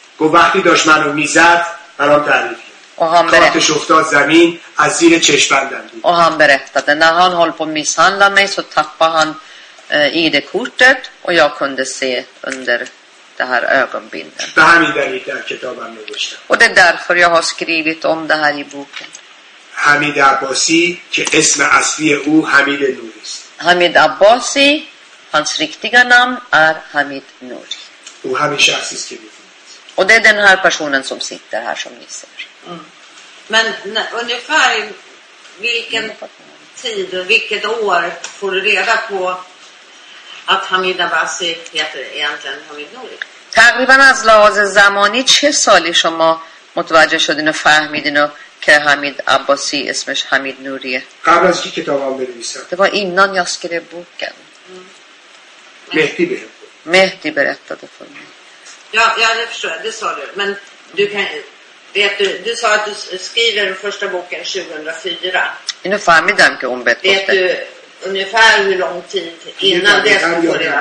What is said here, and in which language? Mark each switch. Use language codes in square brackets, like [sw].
[fa] گفت وقتی داشت منو میزد برام تعریف کرد. کارتش افتاد زمین از زیر چشمندم دید. [sv] Och han berättade när han håller på att misshandla mig så tappade han ID-kortet och jag kunde se under det här ögonbindeln. [fa] به همین دلیل در کتابم نوشتم. [sv] Och det är därför jag har skrivit om det här i boken. [fa] حمید عباسی که اسم اصلی او حمید نوری است. [sv] حمید عباسی hans riktiga namn är Hamid Nouri. Och han är chassis kille. Och det är den här personen som sitter här som ni ser. Mm. Men ungefär vilken tid och vilket år får du reda på att Hamid Abbasi heter egentligen Hamid Nouri? [fa] تقریباً از لحاظ زمانی چه سالی شما متوجه شدین و فهمیدین و که حمید عباسی اسمش حمید نوریه؟ قبل از که کتابم بنویسم. [sv] Det var innan jag skrev boken. Mehdi berättade för mig. Ja, det förstår jag. Det sa du. Men du kan, vet du sa att du skriver den första boken 2004. Ungefär med den om vet du ungefär hur lång tid innan det ska få reda